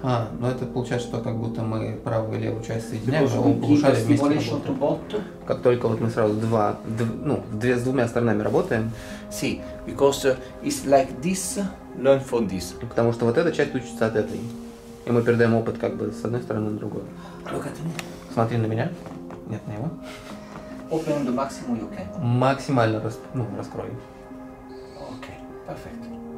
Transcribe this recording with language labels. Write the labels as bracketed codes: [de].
[ru] А, ну это получается, что как будто мы правую и левую часть соединяем, что он повышает вместе работу. Как только вот мы сразу две с двумя сторонами работаем. [en] Si, because it's like this, learn from this. [ru] Потому что вот эта часть учится от этой. И мы передаем опыт как бы с одной стороны на другую. [en] Look at me. [ru] Смотри на меня. Нет, на его. [en] Open the maximum you can. [ru] Максимально раскрой. [en] Okay, perfect.